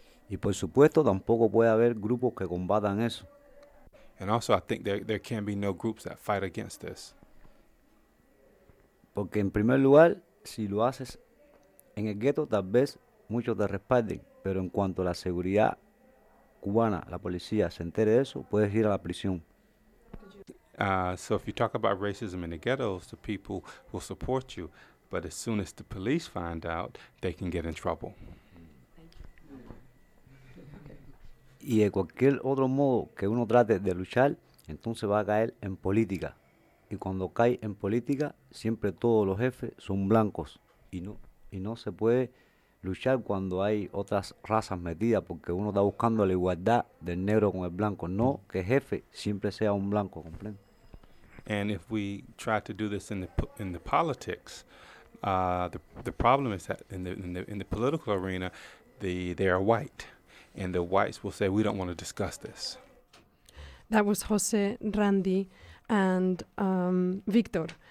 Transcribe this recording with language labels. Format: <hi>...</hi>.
<es>Y por supuesto, tampoco puede haber grupos que combatan eso.</es> <en>And also, I think there can be no groups that fight against this.</en> <es>Porque en primer lugar, si lo haces en el gueto, tal vez muchos te respalden. Pero en cuanto a la seguridad cubana, la policía, se entere de eso, puedes ir a la prisión.</es> <en>So if you talk about racism in the ghettos, the people will support you. But as soon as the police find out, they can get in trouble.</en> <es>Y de cualquier otro modo que uno trate de luchar, entonces va a caer en política. Y cuando cae en política, siempre todos los jefes son blancos. Y no se puede luchar cuando hay otras razas metidas, porque uno está buscando la igualdad del negro con el blanco. No que jefe siempre sea un blanco, ¿comprende?</es> <en>And if we try to do this in the politics, the problem is that in the political arena, they are white, and the whites will say, we don't want to discuss this. That was Jose, Randy, and Victor.</en>